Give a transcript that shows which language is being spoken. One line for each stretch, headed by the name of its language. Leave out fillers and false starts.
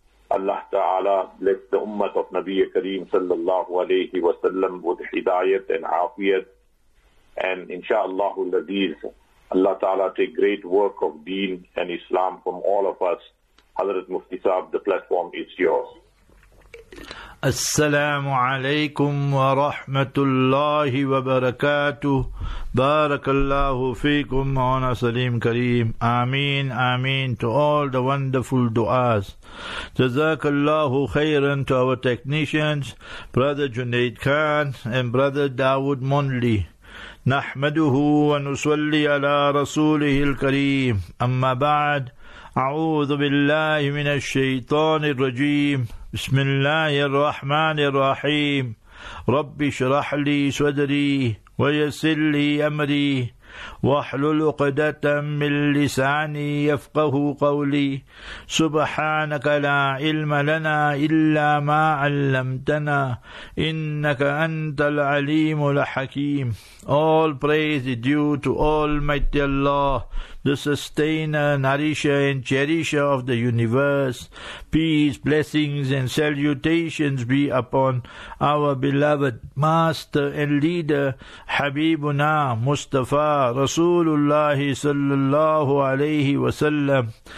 English: Allah ta'ala bless the ummah of Nabi Kareem sallallahu alayhi wa sallam with hidayat and afiyat. And inshaAllah, Allah ta'ala take great work of deen and Islam from all of us. Hazrat Mufti Sahib, the platform is yours.
Arabic: السلام عليكم ورحمة الله وبركاته بارك الله فيكم مولانا سليم كريم آمين آمين
English: to all the wonderful duas.
Arabic: جزاك الله خيرا
English: to our technicians brother Junaid Khan and brother Dawood Monley.
Arabic: نحمده ونصلي على رسوله الكريم أما بعد أعوذ بالله من الشيطان الرجيم بسم الله الرحمن الرحيم رب اشرح لي صدري ويسر لي أمري واحلل عقدة من لساني يفقه قولي سبحانك لا علم لنا إلا ما علمتنا إنك أنت العليم الحكيم.
English: All praise is due to Almighty Allah, the sustainer, nourisher and cherisher of the universe. Peace, blessings and salutations be upon our beloved master and leader, Habibuna Mustafa Rasulullah sallallahu alayhi wa sallam.